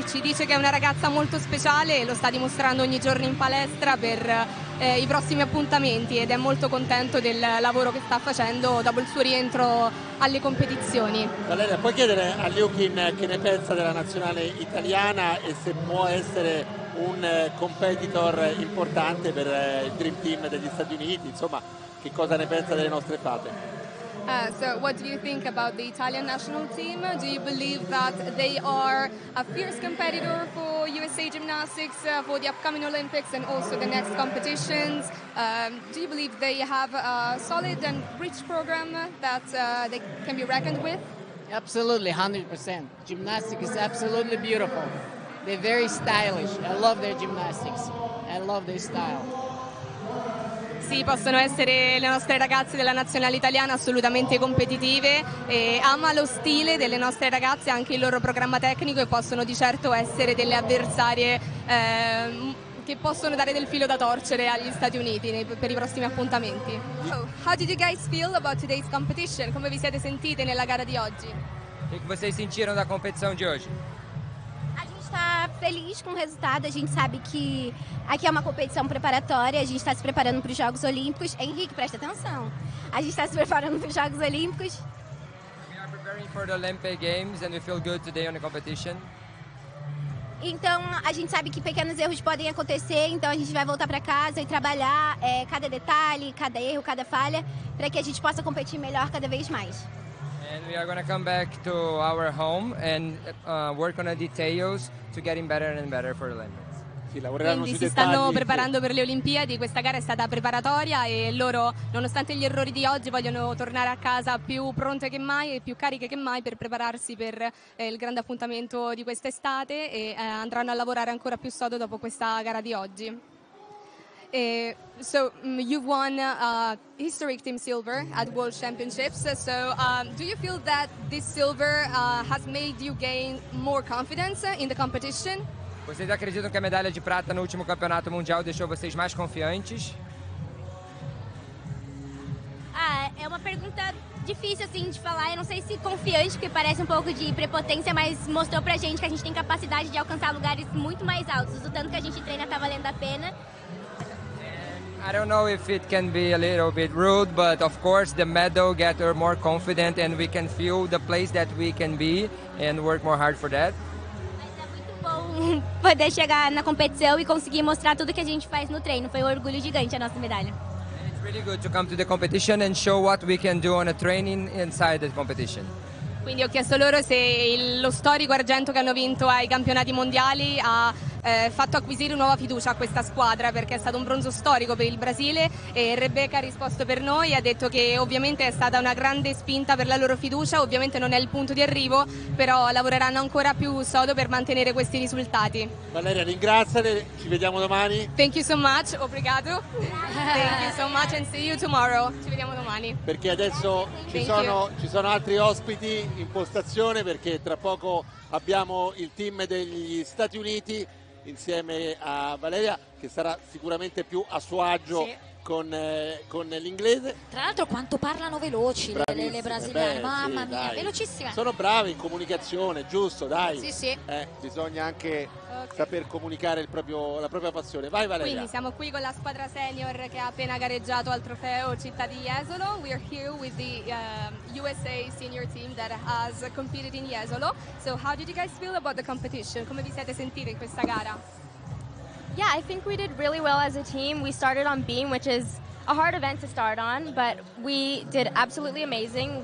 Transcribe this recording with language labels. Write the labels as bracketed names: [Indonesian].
[Italian] Ci dice che è una ragazza molto speciale e lo sta dimostrando ogni giorno in palestra per i prossimi appuntamenti, ed è molto contento del lavoro che sta facendo dopo il suo rientro alle competizioni. Valeria, puoi chiedere a Liukin che ne pensa della nazionale italiana e se può essere un competitor importante per il Dream Team degli Stati Uniti, insomma, che cosa ne pensa delle nostre fate? [English] So what do you think about the Italian national team? Do you believe that they are a fierce competitor for USA Gymnastics for the upcoming Olympics and also the next competitions? Do you believe they have a solid and rich program that they can be reckoned with? Absolutely, 100%. Gymnastics is absolutely beautiful. They're very stylish. I love their gymnastics. I love their style. [Italian] Sì, possono essere le nostre ragazze della nazionale italiana assolutamente competitive e ama lo stile delle nostre ragazze, anche il loro programma tecnico, e possono di certo essere delle avversarie che possono dare del filo da torcere agli Stati Uniti per i prossimi appuntamenti. [English] So, how did you guys feel about today's competition? [Italian] Come vi siete sentite nella gara di oggi? E come sei sentito nella competizione di oggi? [Portuguese] Está feliz com o resultado. A gente sabe que aqui é uma competição preparatória, a gente está se preparando para os Jogos Olímpicos. Henrique, presta atenção. A gente está se preparando para os Jogos Olímpicos. [English] We are preparing for the Olympic Games and we feel good today on the competition. [Portuguese] Então, a gente sabe que pequenos erros podem acontecer, então a gente vai voltar para casa e trabalhar cada detalhe, cada erro, cada falha, para que a gente possa competir melhor cada vez mais. [English] And we are going to come back to our home and work on the details to getting better and better for the Olympics. [Italian] Sì, lavoreranno sui dettagli. Stanno preparando per le Olimpiadi. Questa gara è stata preparatoria e loro, nonostante gli errori di oggi, vogliono tornare a casa più pronte che mai e più cariche che mai per prepararsi per il grande appuntamento di quest'estate, e andranno a lavorare ancora più sodo dopo questa gara di oggi. [English] So you've won historic team silver at World Championships. So do you feel that this silver has made you gain more confidence in the competition? [Portuguese] Vocês acreditam que a medalha de prata no último campeonato mundial deixou vocês mais confiantes? Ah, é uma pergunta difícil assim de falar. Eu não sei se confiante, porque parece um pouco de prepotência, mas mostrou pra gente que a gente tem capacidade de alcançar lugares muito mais altos. O tanto que a gente treina tá valendo a pena. [English] I don't know if it can be a little bit rude, but of course the medal gets her more confident and we can feel the place that we can be and work more hard for that. [Portuguese] Mas é muito bom poder chegar na competição e conseguir mostrar tudo que a gente faz no treino. Foi um orgulho gigante a nossa medalha. [English] And it's really good to come to the competition and show what we can do on a training inside the competition. [Italian] Quindi ho chiesto loro se lo storico argento che hanno vinto ai campionati mondiali ha fatto acquisire nuova fiducia a questa squadra, perché è stato un bronzo storico per il Brasile, e Rebecca ha risposto per noi e ha detto che ovviamente è stata una grande spinta per la loro fiducia, ovviamente non è il punto di arrivo, però lavoreranno ancora più sodo per mantenere questi risultati. Valeria, ringraziale, ci vediamo domani. [English] Thank you so much, obrigado. Thank you so much and see you tomorrow. [Italian] Ci vediamo domani. Perché adesso ci sono altri ospiti in postazione, perché tra poco abbiamo il team degli Stati Uniti insieme a Valeria, che sarà sicuramente più a suo agio. Sì. con l'inglese. Tra l'altro quanto parlano veloci le brasiliane, beh, mamma sì, dai. Velocissime. Sono brave in comunicazione, giusto, dai. Sì, sì. Bisogna anche saper comunicare la propria passione. Vai Valeria. Quindi siamo qui con la squadra senior che ha appena gareggiato al trofeo Città di Jesolo. [English] We are here with the USA senior team that has competed in Jesolo. So how did you guys feel about the competition? [Italian] Come vi siete sentiti in questa gara? [English] Yeah, I think we did really well as a team. We started on beam, which is a hard event to start on, but we did absolutely amazing.